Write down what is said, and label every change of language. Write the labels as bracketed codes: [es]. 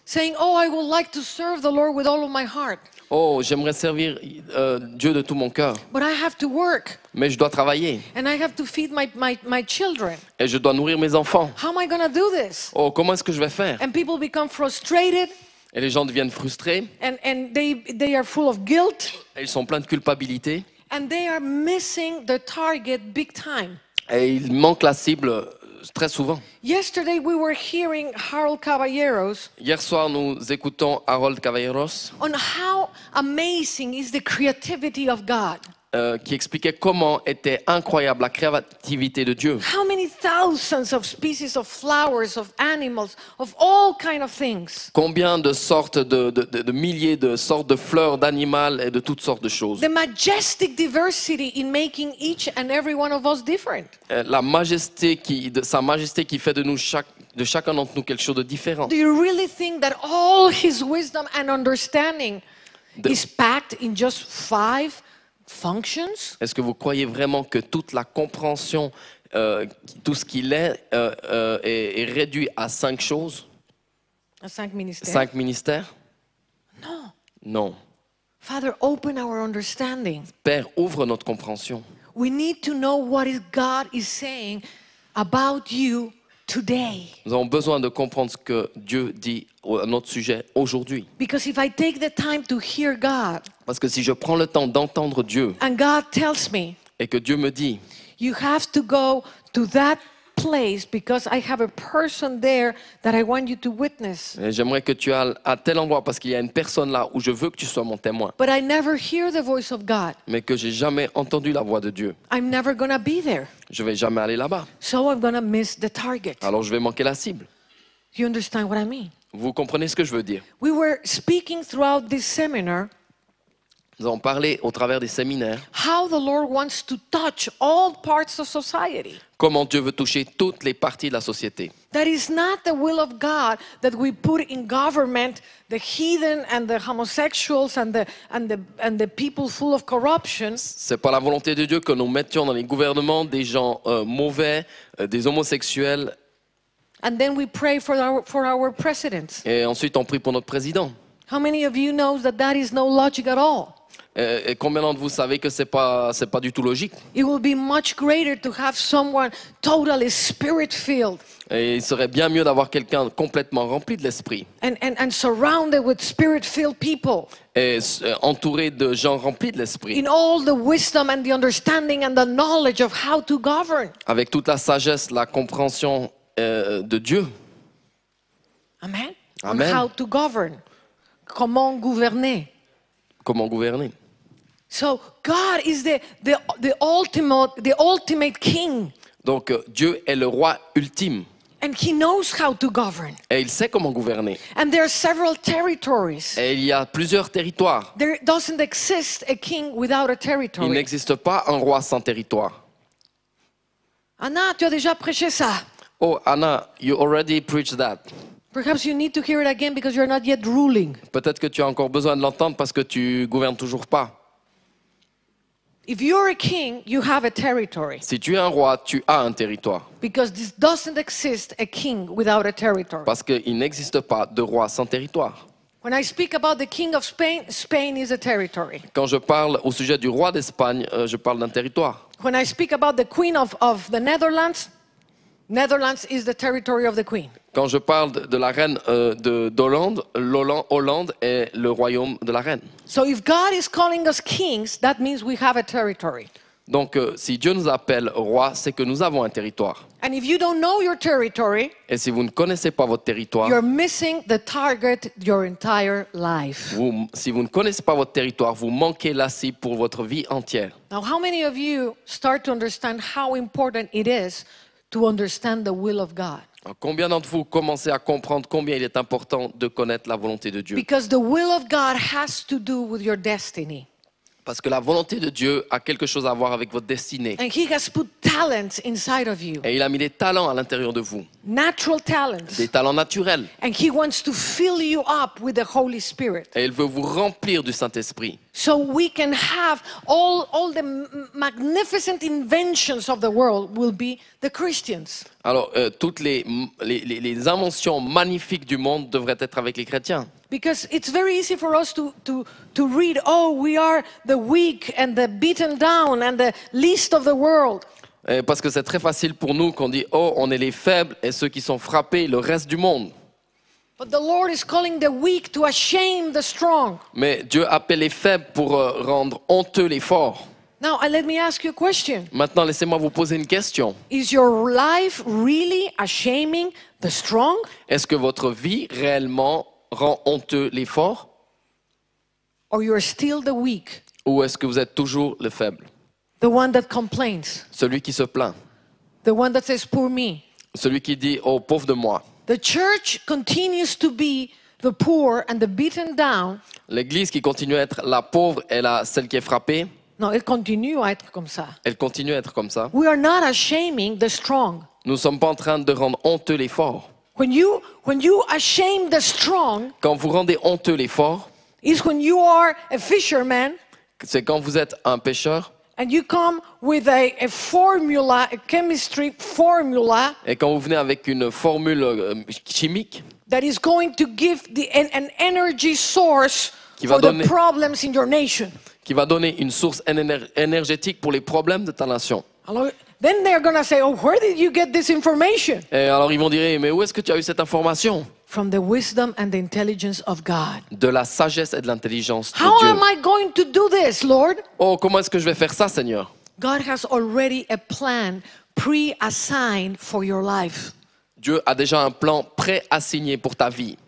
[en] Saying, oh, I would like to serve the Lord with all of my heart. [fr] Oh, j'aimerais servir Dieu de tout mon cœur. [en] But I have to work. [fr] Mais je dois travailler. [en] And I have to feed my children. [fr] Et je dois nourrir mes enfants. [en] How am I gonna do this? [fr] Oh, comment est-ce que je vais faire? [en] And people become frustrated. [fr] Et les gens deviennent frustrés. [en] And they are full of guilt. [fr] Et ils sont pleins de culpabilité. [en] And they are missing the target big time. [fr] Et ils manquent la cible très souvent. [en] Yesterday we were hearing Harold Caballeros. [fr] Hier soir nous écoutons Harold Caballeros. [en] On how amazing is the creativity of God. [fr] Qui expliquait comment était incroyable la créativité de Dieu. [en] How many thousands of species of flowers, of animals, of all kinds of things. [fr] Combien de sortes de milliers de sortes de fleurs, d'animaux et de toutes sortes de choses. [en] The majestic diversity in making each and every one of us different. [fr] Sa majesté qui fait de nous chacun d'entre nous quelque chose de différent. [en] Do you really think that all his wisdom and understanding is packed in just five functions? [fr] Est-ce que vous croyez vraiment que toute la compréhension, tout ce qu'il est réduit à cinq choses? À cinq ministères. Cinq ministères? Non. Non. [en] Father, open our understanding. [fr] Père, ouvre notre compréhension. [en] We need to know what God is saying about you today. [fr] Nous avons besoin de comprendre ce que Dieu dit à notre sujet aujourd'hui. [en] Because if I take the time to hear God, [fr] parce que si je prends le temps d'entendre Dieu, [en] and God tells me, [fr] et que Dieu me dit, [en] you have to go to that place because I have a person there that I want you to witness. [fr] Et j'aimerais que tu ailles à tel endroit parce qu'il y a une personne là où je veux que tu sois mon témoin. [en] But I never hear the voice of God. [fr] Mais que j'ai jamais entendu la voix de Dieu. [en] I'm never gonna be there. [fr] Je vais jamais aller là-bas. [en] So I'm gonna miss the target. [fr] Alors je vais manquer la cible. [en] You understand what I mean? [fr] Vous comprenez ce que je veux dire? [en] We were speaking throughout this seminar. [fr] Nous avons parlé au travers des séminaires. [en] How the Lord wants to touch all parts of society. [fr] Comment Dieu veut toucher toutes les parties de la société. [en] That is not the will of God that we put in government the heathen and the homosexuals and the people full of corruption. [fr] C'est pas la volonté de Dieu que nous mettions dans les gouvernements des gens mauvais, des homosexuels. [en] And then we pray for our president. [fr] Et ensuite on prie pour notre président. [en] How many of you know that is no logic at all? [fr] Et combien d'entre vous savez que c'est pas du tout logique? [en] It will be much greater to have someone totally spirit-filled. [fr] Et il serait bien mieux d'avoir quelqu'un complètement rempli de l'esprit. [en] And surrounded with spirit-filled people. [fr] Et entouré de gens remplis de l'esprit. [en] In all the wisdom and the understanding and the knowledge of how to govern. [fr] Avec toute la sagesse, la compréhension de Dieu. [en] Amen. [fr] Amen. [en] On how to govern. [fr] Comment gouverner? Comment gouverner? [en] So God is the ultimate king. [fr] Donc Dieu est le roi ultime. [en] And he knows how to govern. [fr] Et il sait comment gouverner. [en] And there are several territories. [fr] Et il y a plusieurs territoires. [en] There doesn't exist a king without a territory. [fr] Il n'existe pas un roi sans territoire. Anna, tu as déjà prêché ça. [en] Oh Anna, you already preached that. Perhaps you need to hear it again because you're not yet ruling. [fr] Peut-être que tu as encore besoin de l'entendre parce que tu gouvernes toujours pas. [en] If you're a king, you have a territory. [fr] Si tu es un roi, tu as un territoire. [en] Because this doesn't exist a king without a territory. [fr] Parce qu'il n'existe pas de roi sans territoire. [en] When I speak about the king of Spain, Spain is a territory. [fr] Quand je parle au sujet du roi d'Espagne, je parle d'un territoire. [en] When I speak about the queen of the Netherlands, Netherlands is the territory of the queen. [fr] Quand je parle de la reine d'Hollande, Hollande est le royaume de la reine. [en] So if God is calling us kings, that means we have a territory. [fr] Donc, si Dieu nous appelle roi, c'est que nous avons un territoire. [en] And if you don't know your territory, [fr] et si vous ne connaissez pas votre territoire, [en] you're missing the target your entire life. [fr] Vous, si vous ne connaissez pas votre territoire, vous manquez la cible pour votre vie entière. [en] Now, how many of you start to understand how important it is to understand the will of God? [fr] Combien d'entre vous commencez à comprendre combien il est important de connaître la volonté de Dieu? [en] Because the will of God has to do with your destiny. [fr] Parce que la volonté de Dieu a quelque chose à voir avec votre destinée. [en] And he has put talents inside of you. [fr] Et il a mis des talents à l'intérieur de vous. [en] Natural talents. [fr] Des talents naturels. [en] And he wants to fill you up with the Holy Spirit. [fr] Et il veut vous remplir du Saint-Esprit. [en] So we can have all the magnificent inventions of the world will be the Christians. [fr] Alors toutes les inventions magnifiques du monde devraient être avec les chrétiens. [en] Because it's very easy for us to read, oh, we are the weak and the beaten down and the least of the world. [fr] Et parce que c'est très facile pour nous qu'on dit, oh, on est les faibles et ceux qui sont frappés, le reste du monde. [en] But the Lord is calling the weak to shame the strong. [fr] Mais Dieu appelle les faibles pour rendre honteux les forts. [en] Now, let me ask you a question. [fr] Maintenant, laissez-moi vous poser une question. [en] Is your life really shaming the strong? [fr] Est-ce que votre vie réellement rend honteux les forts? [en] Or you're still the weak? [fr] Ou est-ce que vous êtes toujours le faible? [en] The one that complains. [fr] Celui qui se plaint. [en] The one that says poor me. [fr] Celui qui dit oh pauvre de moi. [en] The church continues to be the poor and the beaten down. [fr] L'église qui continue à être la pauvre et la celle qui est frappée. Non, elle continue à être comme ça. Elle continue à être comme ça. [en] We are not shaming the strong. [fr] Nous sommes pas en train de rendre honteux les forts. [en] When you shame the strong, [fr] quand vous rendez honteux les forts, [en] is when you are a fisherman, [fr] c'est quand vous êtes un pêcheur, [en] and you come with a formula, a chemistry formula, [fr] et quand vous venez avec une formule chimique, [en] that is going to give an energy source for the problems in your nation, [fr] qui va donner une source énergétique pour les problèmes de ta nation. [en] Alors, then they're going to say, oh, where did you get this information? [fr] Et alors ils vont dire, mais où est-ce que tu as eu cette information? [en] From the wisdom and the intelligence of God. [fr] De la sagesse et de l'intelligence de [en] How [fr] Dieu. [en] How am I going to do this, Lord? [fr] Oh, comment est-ce que je vais faire ça, Seigneur? [en] God has already a plan pre-assigned for your life. [fr] Dieu a déjà un plan pré-assigné pour ta vie.